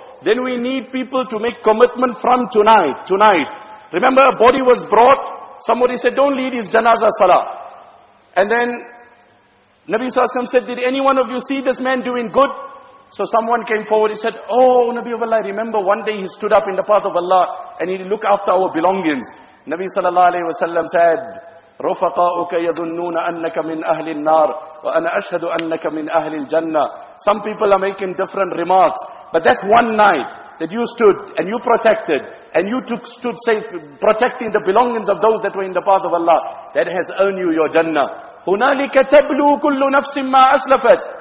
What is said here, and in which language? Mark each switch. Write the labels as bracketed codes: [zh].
[en] Then we need people to make commitment from tonight. Remember, a body was brought, somebody said, don't lead his janazah salah. And then Nabi Sallallahu Alaihi Wasallam said, did any one of you see this man doing good? So someone came forward, he said, oh, Nabi of Allah, remember one day he stood up in the path of Allah and he looked after our belongings. Nabi Sallallahu Alaihi Wasallam said, [ar] رُفَقَاؤُكَ يَظُنُّونَ أَنَّكَ مِنْ أَهْلِ النَّارِ وَأَنَا أَشْهَدُ أَنَّكَ مِنْ أَهْلِ الْجَنَّةِ. [en] Some people are making different remarks, but that one night that you stood and you protected and you stood safe protecting the belongings of those that were in the path of Allah, that has earned you your Jannah. [ar] هنالك تبلو كل نفس ما أسلفت.